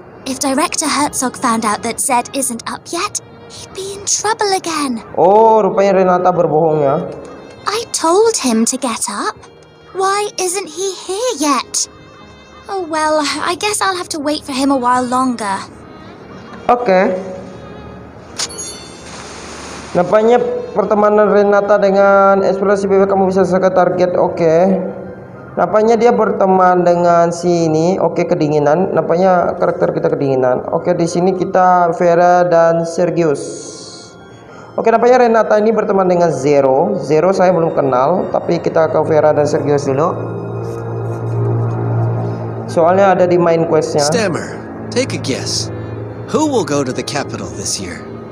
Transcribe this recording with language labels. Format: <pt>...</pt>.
<en>If Director Herzog found out that Zed isn't up yet, he'd be in trouble again.</en> <id>Oh, rupanya Renata berbohong ya.</id> <en>I told him to get up. Why isn't he here yet? Oh well, I guess I'll have to wait for him a while longer.</en> <id>Oke. Nampaknya pertemanan Renata dengan eksplorasi bebek kamu bisa sangat target. Oke. Nampaknya dia berteman dengan si ini. Oke, kedinginan. Nampaknya karakter kita kedinginan. Oke, di sini kita Vera dan Sergius. Oke, nampaknya Renata ini berteman dengan Zero. Zero saya belum kenal, tapi kita ke Vera dan Sergius dulu. Soalnya ada di main questnya.</id> <en>Stammer, take a guess. Who will go to the capital this year?</en>